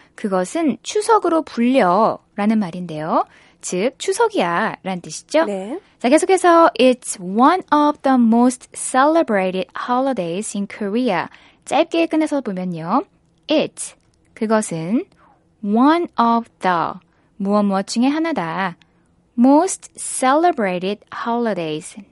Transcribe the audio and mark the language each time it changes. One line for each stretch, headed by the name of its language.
Korean: 그것은 추석으로 불려 라는 말인데요. 즉, 추석이야 라는 뜻이죠. 네. 자, 계속해서
English: It's one of the most celebrated holidays in Korea.
Korean: 짧게 끝내서 보면요.
English: It,
Korean: 그것은
English: one of the,
Korean: 무엇무엇 중에 하나다.
English: Most celebrated holidays.